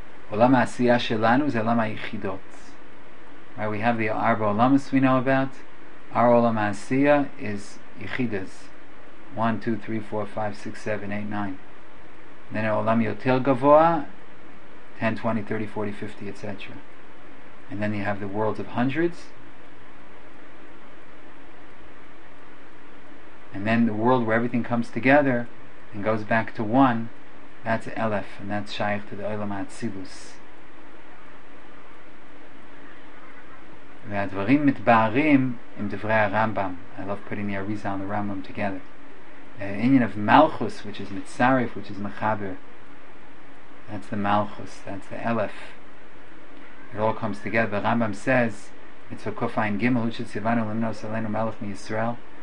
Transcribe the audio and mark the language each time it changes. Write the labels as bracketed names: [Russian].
[Hebrew] עולם העשייה שלנו זה עולם היחידות. [English] Right, we have the [Hebrew] ארבע עולמות [English] we know about. Our [Hebrew] עולם העשייה [English] is [Hebrew] יחידות. [English] 1, 2, 3, 4, 5, 6, 7, 8, 9. Then [Hebrew] העולם יותר גבוה, [English] 10, 20, 30, 40, 50, etc. And then you have the worlds of hundreds. And then the world where everything comes together and goes back to one, that's Aleph, and that's Shaykh to the Olam HaTzilus. [Hebrew] והדברים מתבארים עם דברי הרמב״ם. [English] I love putting the Arizal and the Rambam together. Inyan of Malchus, which is Mitzarif, which is Mechaber. That's the Malchus, that's the Aleph. It all comes together. The Rambam says, it's a Kufayin Gimel, which is Sivanu Limnos Aleinu Melech Yisrael.